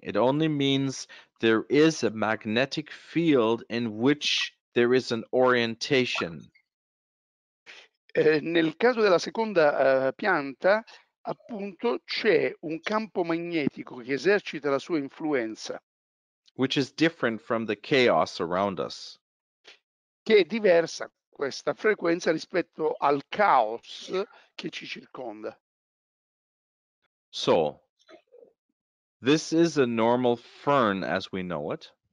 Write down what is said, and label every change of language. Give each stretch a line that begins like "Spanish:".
English: It only means there is a magnetic field in which there is an orientation.
Italian: Nel caso della seconda pianta, appunto, c'è un campo magnetico che esercita la sua influenza.
English: Which is different from the chaos around us.
Italian: Che è diversa questa frequenza rispetto al caos che ci circonda.
English: So, this is a normal fern as we know it.